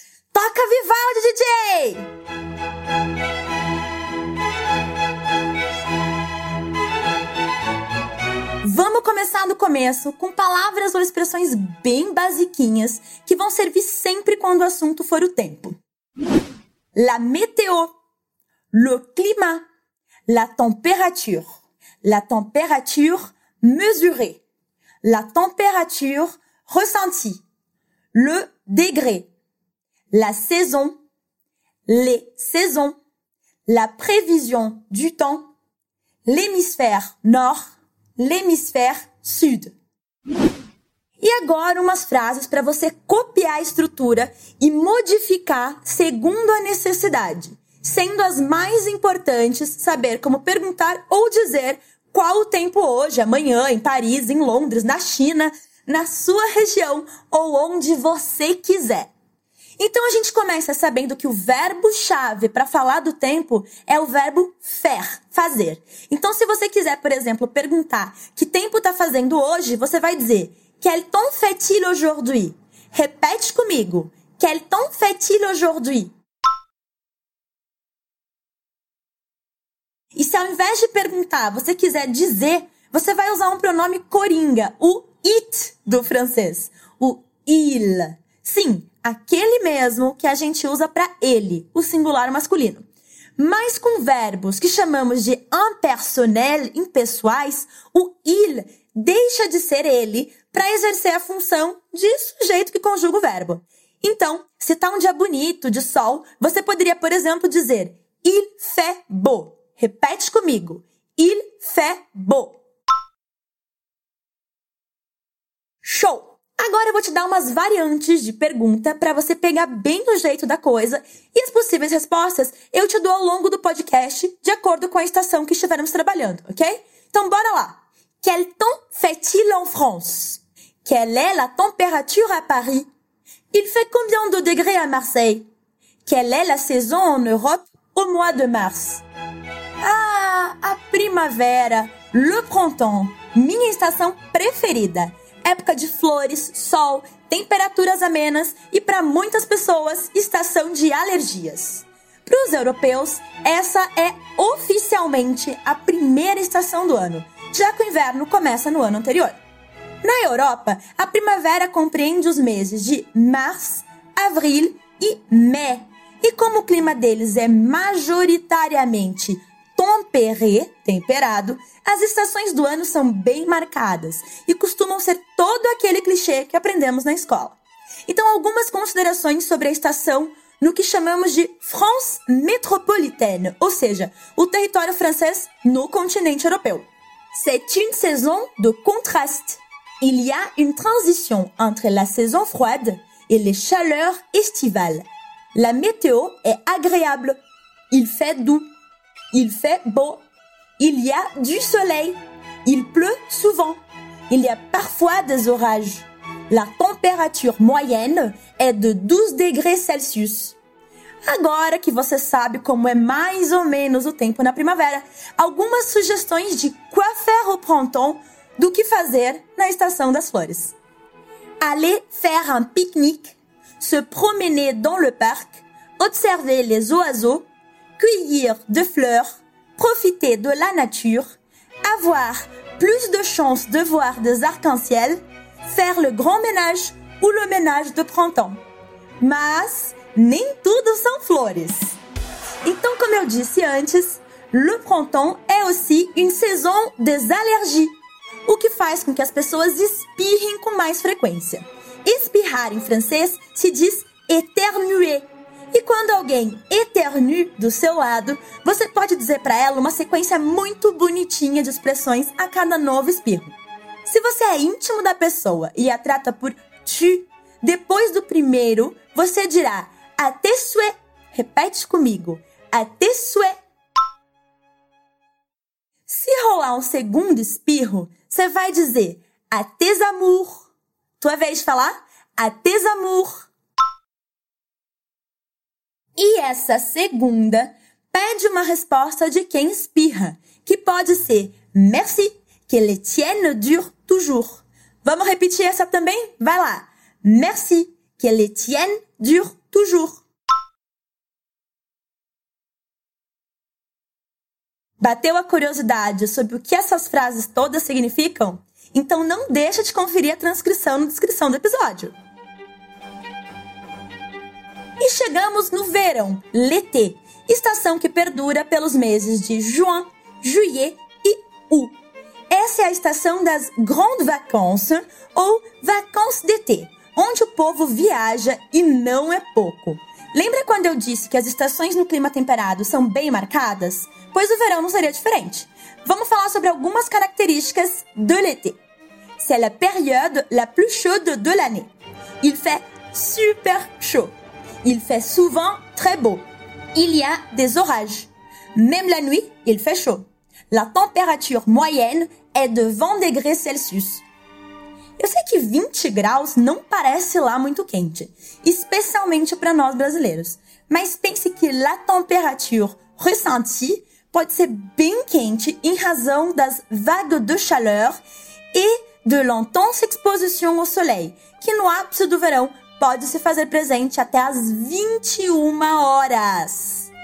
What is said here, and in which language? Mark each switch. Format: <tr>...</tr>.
<pt>Toca Vivaldi, DJ! Vamos começar do começo com palavras ou expressões bem basiquinhas que vão servir sempre quando o assunto for o tempo.</pt> <fr>La météo, le climat, la température mesurée, la température ressentie, le degré, la saison, les saisons, la prévision du temps, l'hémisphère nord, l'hémisphère sud.</fr> <pt>E agora umas frases para você copiar a estrutura e modificar segundo a necessidade, sendo as mais importantes saber como perguntar ou dizer qual o tempo hoje, amanhã, em Paris, em Londres, na China, na sua região ou onde você quiser. Então a gente começa sabendo que o verbo-chave para falar do tempo é o verbo faire, fazer. Então se você quiser, por exemplo, perguntar que tempo está fazendo hoje, você vai dizer</pt> <fr>Quel temps fait-il aujourd'hui?</fr> <pt>Repete comigo.</pt> <fr>Quel temps fait-il aujourd'hui?</fr> <pt>E se ao invés de perguntar, você quiser dizer, você vai usar um pronome coringa, o it do francês, o il. Sim, aquele mesmo que a gente usa para ele, o singular masculino. Mas com verbos que chamamos de impersonnel, impessoais, o il deixa de ser ele para exercer a função de sujeito que conjuga o verbo. Então, se está um dia bonito, de sol, você poderia, por exemplo, dizer</pt> <fr>il fait beau.</fr> <pt>Repete comigo.</pt> <fr>Il fait beau.</fr> <pt>Show! Agora eu vou te dar umas variantes de pergunta para você pegar bem o jeito da coisa e as possíveis respostas eu te dou ao longo do podcast de acordo com a estação que estivermos trabalhando, ok? Então bora lá!</pt> <fr>Quel temps fait-il en France? Quelle est la température à Paris? Il fait combien de degrés à Marseille? Quelle est la saison en Europe au mois de mars?</fr> <pt>Ah, a primavera, le printemps, minha estação preferida! Época de flores, sol, temperaturas amenas e, para muitas pessoas, estação de alergias. Para os europeus, essa é oficialmente a primeira estação do ano, já que o inverno começa no ano anterior. Na Europa, a primavera compreende os meses de mars, avril e mai. E como o clima deles é majoritariamente tempéré, temperado, as estações do ano são bem marcadas e costumam ser todo aquele clichê que aprendemos na escola. Então, algumas considerações sobre a estação no que chamamos de France métropolitaine, ou seja, o território francês no continente europeu.</pt> <fr>C'est une saison de contraste. Il y a une transition entre la saison froide et les chaleurs estivales. La météo est agréable. Il fait doux. Il fait beau. Il y a du soleil. Il pleut souvent. Il y a parfois des orages. La température moyenne est de 12 degrés Celsius.</fr> <pt>Agora que você sabe como é mais ou menos o tempo na primavera, algumas sugestões de</pt> <fr>quoi faire au printemps,</fr> <pt>do que fazer na estação das flores.</pt> <fr>Aller faire un pique-nique, se promener dans le parc, observer les oiseaux, cueillir de fleurs, profiter de la nature, avoir plus de chances de voir des arcs-en-ciel, faire le grand ménage ou le ménage de printemps.</fr> <pt>Mas nem tudo são flores. Então, como eu disse antes, le printemps é</pt> <fr>aussi une saison des allergies,</fr> <pt>o que faz com que as pessoas espirrem com mais frequência. Espirrar em francês se diz éternuer. E quando alguém éternue do seu lado, você pode dizer para ela uma sequência muito bonitinha de expressões a cada novo espirro. Se você é íntimo da pessoa e a trata por tu, depois do primeiro, você dirá</pt> <fr>à tes souhaits.</fr> <pt>Repete comigo.</pt> <fr>À tes souhaits.</fr> <pt>Se rolar um segundo espirro, você vai dizer</pt> <fr>à tes amours.</fr> <pt>Tua vez de falar?</pt> <fr>À tes amours.</fr> <pt>E essa segunda pede uma resposta de quem espirra, que pode ser</pt> <fr>merci, que le tien dure toujours.</fr> <pt>Vamos repetir essa também? Vai lá.</pt> <fr>Merci, que le tien dure toujours.</fr> <pt>Bateu a curiosidade sobre o que essas frases todas significam? Então não deixa de conferir a transcrição na descrição do episódio. E chegamos no verão, l'été, estação que perdura pelos meses de juin, juillet e août. Essa é a estação das grandes vacances, ou vacances d'été, onde o povo viaja e não é pouco. Lembra quando eu disse que as estações no clima temperado são bem marcadas? Pois o verão não seria diferente. Vamos falar sobre algumas características de l'été.</pt> <fr>C'est la période la plus chaude de l'année. Il fait super chaud. Il fait souvent très beau. Il y a des orages. Même la nuit, il fait chaud. La température moyenne est de 20 degrés Celsius.</fr> <pt>Eu sei que 20 graus não parece lá muito quente, especialmente para nós brasileiros. Mas pense que la température ressentie pode ser bem quente em razão das</pt> <fr>vagues de chaleur</fr> <pt>e</pt> <fr>de l'intense exposition au soleil,</fr> <pt>que no ápice do verão pode se fazer presente até às 21 horas.</pt>